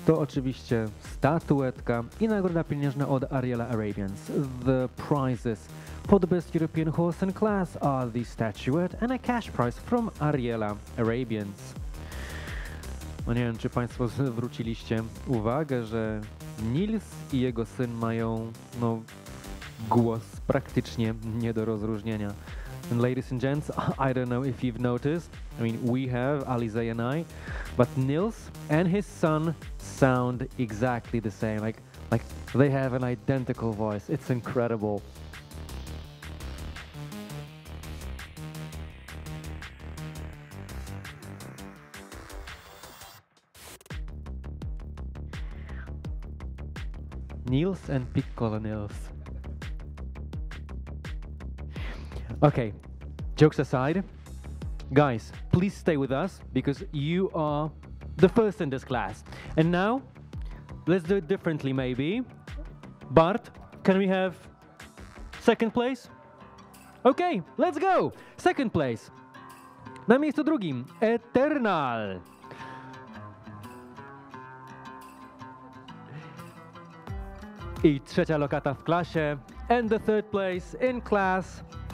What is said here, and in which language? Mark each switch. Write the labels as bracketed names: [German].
[Polish] To oczywiście statuetka i nagroda pieniężna od Ariela Arabians. [English] The prizes for the Best European Horse in Class are the statuette and a cash prize from Ariela Arabians. [Polish] No nie wiem, czy Państwo zwróciliście uwagę, że Nils i jego syn mają no, głos praktycznie nie do rozróżnienia. [English] And ladies and gents, I don't know if you've noticed, I mean, we have, Alize and I, but Nils and his son sound exactly the same, like they have an identical voice, it's incredible. Nils and Piccolo Nils. Okay, jokes aside, guys, please stay with us because you are the first in this class. And now, let's do it differently maybe. Bart, can we have second place? Okay, let's go! Second place. [Polish] Na miejscu drugim, Eternal. I trzecia lokata w klasie. [English] And the third place in class.